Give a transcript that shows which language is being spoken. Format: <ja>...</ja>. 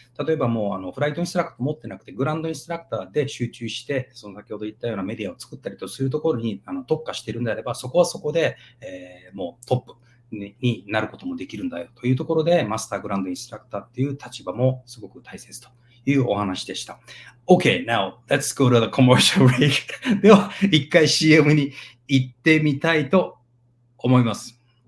<ja>例えばもうフライトインストラクター持ってなくて、グランドインストラクターで集中して、その先ほど言ったようなメディアを作ったりとするところに特化しているのであれば、そこはそこで、もうトップ。になることもできるんだよというところで、マスターグランドインストラクターという立場もすごく大切というお話でした。</ja> <en>Okay, now let's go to the commercial break.</en> <ja>では、一回 CM に行ってみたいと思います。</ja>